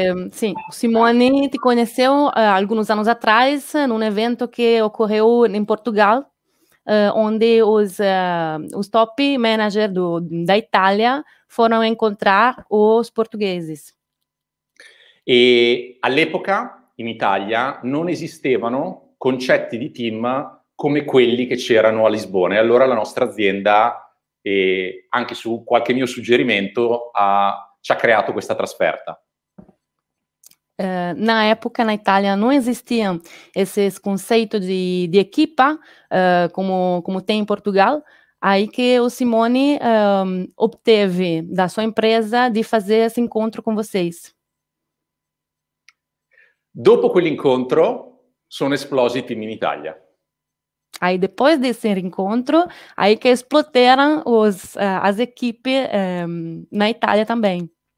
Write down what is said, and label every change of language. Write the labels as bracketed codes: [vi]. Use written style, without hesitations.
[pt] Sim, Simone te conheceu alguns anos atrás num evento que ocorreu em Portugal, onde os top managers da Itália foram encontrar os portugueses. [it] E, all'epoca, in Italia, non esistevano concetti di team come quelli che c'erano a Lisbona. E allora la nostra azienda, anche su qualche mio suggerimento, ci ha creato questa trasferta. [pt] Na época, na Itália, não existiam esses conceitos de equipa, como tem em Portugal. Aí que o Simone obteve da sua empresa de fazer esse encontro com vocês. [it] Dopo quell'incontro, sono esplosi i team in Italia. [pt] Aí depois desse encontro, aí que exploderam as equipes na Itália também.